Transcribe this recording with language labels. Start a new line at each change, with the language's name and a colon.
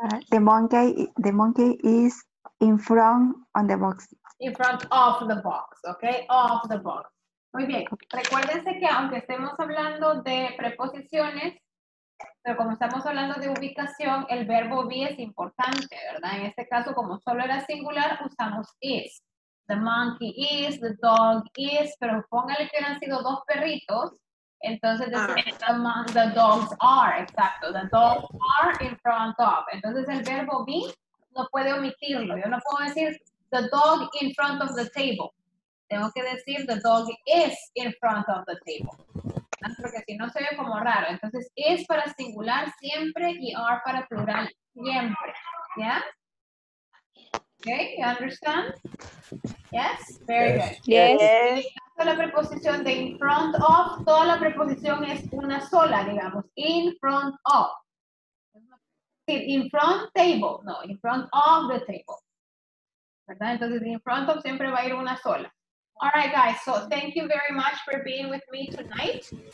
English: The monkey is in front on the box. In front of the box. Okay. Of the box.
Spanish: Muy bien, recuérdense que aunque estemos hablando de preposiciones, pero como estamos hablando de ubicación, el verbo be es importante, ¿verdad? En este caso, como solo era singular, usamos is.
English: The monkey is, the dog is,
Spanish: pero póngale que han sido dos perritos, entonces decimos
English: the dogs are,
Spanish: exacto,
English: the dogs are in front of.
Spanish: Entonces el verbo be no puede omitirlo. Yo no puedo decir
English: the dog in front of the table.
Spanish: Tengo que decir
English: the dog is in front of the table.
Spanish: ¿Verdad? Porque si no se ve como raro. Entonces is para singular siempre y are para plural siempre. ¿Ya?
English: Okay, you understand? Yes, very good. Yes.
Spanish: La preposición de
English: in front of,
Spanish: toda la preposición es una sola, digamos.
English: In front of. In front table, no, in front of the table.
Spanish: ¿Verdad? Entonces,
English: in front of
Spanish: siempre va a ir una sola.
English: All right, guys, so thank you very much for being with me tonight.